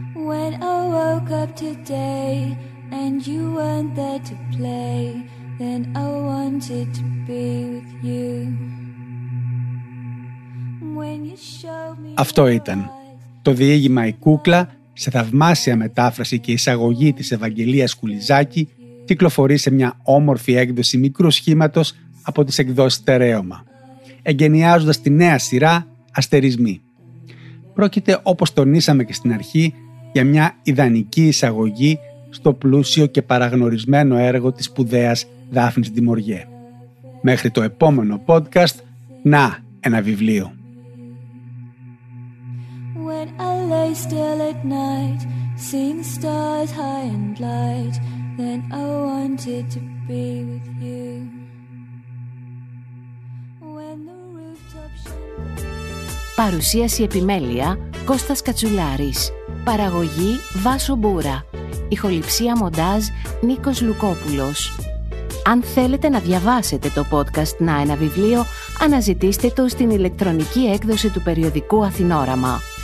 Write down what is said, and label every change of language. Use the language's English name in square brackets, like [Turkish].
[English] When I woke up today and you weren't there to play, then I wanted to be with you. When you showed me... [Greek] Αυτό ήταν το διήγημα «Η κούκλα» σε θαυμάσια μετάφραση και εισαγωγή της Ευαγγελίας Κουλιζάκη. Κυκλοφορεί σε μια όμορφη έκδοση μικρού σχήματος από τις εκδόσεις Τερέωμα, εγκαινιάζοντας τη νέα σειρά Αστερισμοί. Πρόκειται, όπως τονίσαμε και στην αρχή, για μια ιδανική εισαγωγή στο πλούσιο και παραγνωρισμένο έργο της σπουδαίας Δάφνης Ντιμοριέ. Μέχρι το επόμενο podcast, να ένα βιβλίο. [English] When I lay still at night, seeing stars high and light, then I wanted to be with you. When the rooftop shone. [Greek] Παρουσίαση επιμέλεια Κώστας Κατσουλάρης. Παραγωγή Βάσο Μπούρα. Ηχοληψία μοντάζ Νίκος Λουκόπουλος. Αν θέλετε να διαβάσετε το podcast «Να ένα βιβλίο», αναζητήστε το στην ηλεκτρονική έκδοση του περιοδικού Αθηνόραμα.